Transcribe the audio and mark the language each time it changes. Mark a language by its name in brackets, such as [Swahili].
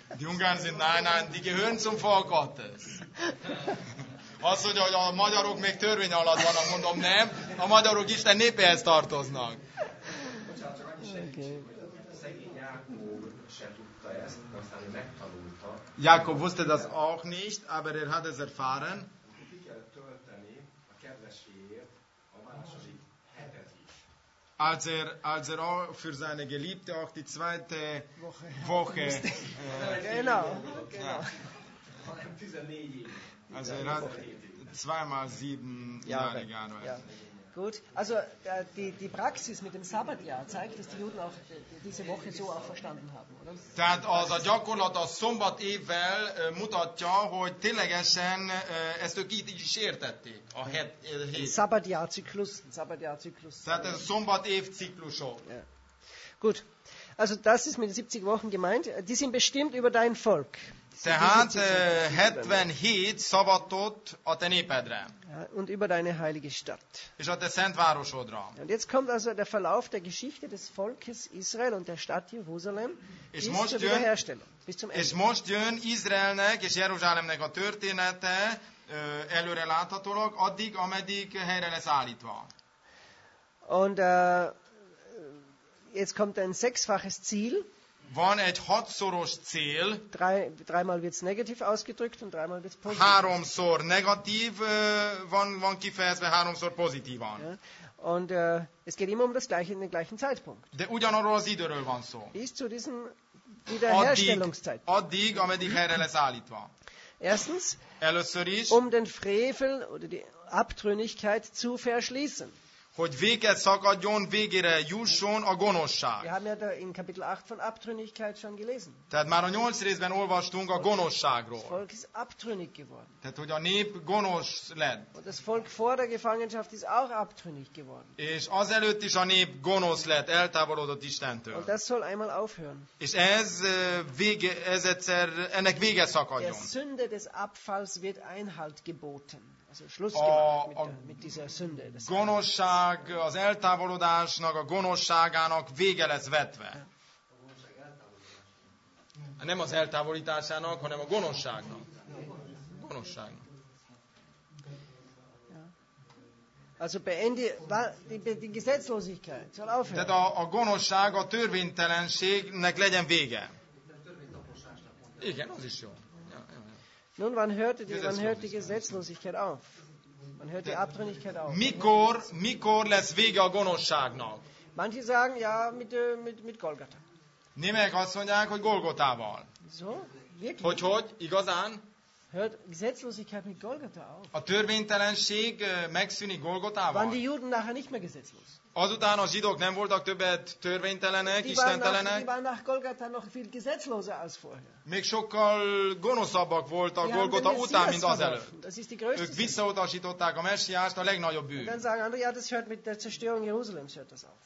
[German] Die Ungarn sind nein, die gehören zum Volk Gottes. [Hungarian] Azt mondja, hogy a magyarok még törvény alatt vannak, mondom nem, a magyarok Isten népéhez tartoznak. Bocsánat, csak annyi segítség. Okay. Szegény Jákob se tudta ezt, aztán megtanulta. [German] Jákob wusste das auch nicht, aber er hat es erfahren. [Hungarian] Ki kellett tölteni a kedvesfiért a második hetet is. [German] Als er auch für seine Geliebte auch die zweite Woche. Genau. [Hungarian] Hanem 14 [German] Also er hat zweimal sieben Jahre gearbeitet. Gut, also die Praxis mit dem Sabbatjahr zeigt, dass die Juden auch diese Woche so auch verstanden haben, oder? [Hungarian] Tehát az a gyakorlat a szombat évvel mutatja, hogy ténylegesen ezt ők így is értették. A [German] Sabbatjahrzyklus. Sabbatjahrzyklus. [Hungarian] Tehát ez a szombat év ciklusok. [German] Ja. Gut, also das ist mit 70 Wochen gemeint. Die sind bestimmt über dein Volk. [Hungarian] Tehát 77 szabatot a te népedre. [German] Und über deine heilige Stadt. [Hungarian] És a te szentvárosodra. [German] Und jetzt kommt also der Verlauf der Geschichte des Volkes Israel und der Stadt Jerusalem bis zur Wiederherstellung. [Hungarian] És most jön Izraelnek és Jeruzsálemnek a története előre láthatólag, addig, ameddig helyre lesz állítva. [German] Und jetzt kommt ein sechsfaches Ziel. [Hungarian] Van egy hatszoros cél. [German] Dreimal wird's negativ ausgedrückt und dreimal wird's positiv. [Hungarian] Háromszor negatív van kifejezve, háromszor pozitívan. [German] Ja. Und es geht immer um das gleiche in den gleichen Zeitpunkt. [Hungarian] De ugyanarról az időről van szó. [German] Bis zu diesem Wiederherstellungszeitpunkt. [Hungarian] Addig, ameddig helyre lesz állítva. [German] Erstens, [Hungarian] először is, [German] um den Frevel oder die Abtrünnigkeit zu verschließen. [Hungarian] Hogy véget szakadjon, végére jusson a gonoszság. [German] Wir haben ja da in Kapitel 8 von Abtrünnigkeit schon gelesen. [Hungarian] Tehát már a 8 részben olvastunk a gonoszságról. [German] Das Volk ist abtrünnig geworden. [Hungarian] Tehát, hogy a nép gonosz lett. [German] Und das Volk vor der Gefangenschaft ist auch abtrünnig geworden. [Hungarian] És azelőtt is a nép gonosz lett, eltávolodott Istentől. [German] Und das soll einmal aufhören. [Hungarian] És ez egyszer, ennek vége szakadjon. [German] Der Sünde des Abfalls wird Einhalt geboten. [Hungarian] A gonoszság, az eltávolodásnak, a gonoszságának vége lesz vetve. Nem az eltávolításának, hanem a gonoszságnak. Gonoszságnak. [German] Also beende die Gesetzlosigkeit. Soll aufhören. [Hungarian] Tehát a gonoszság, a törvénytelenségnek legyen vége. Igen, az is jó. [German] Nun, wann hört die Gesetzlosigkeit auf? Man hört die Abtrünnigkeit auf. [Hungarian] Mikor lesz vége a gonoszságnak? [German] Manche sagen, ja, mit Golgata. [Hungarian] Némelyek azt mondják, hogy Golgotával. [German] So? Wirklich? [Hungarian] Hogy? Igazán? [German] Hört Gesetzlosigkeit mit Golgata auf? [Hungarian] A törvénytelenség megszűnik Golgotával? [German] Waren die Juden nachher nicht mehr gesetzlos? [Hungarian] Azután a zsidók nem voltak többet törvénytelenek, istentelenek. [German] Die waren nach Golgata noch viel gesetzloser als vorher. [Hungarian] Még sokkal gonoszabbak voltak Golgota után, mint azelőtt. [German] Das ist die größte. [Hungarian] Ők visszautasították a messiást, a legnagyobb bűn. [German] Dann sagen andere, ja, das hört mit der Zerstörung Jerusalems hört das auf.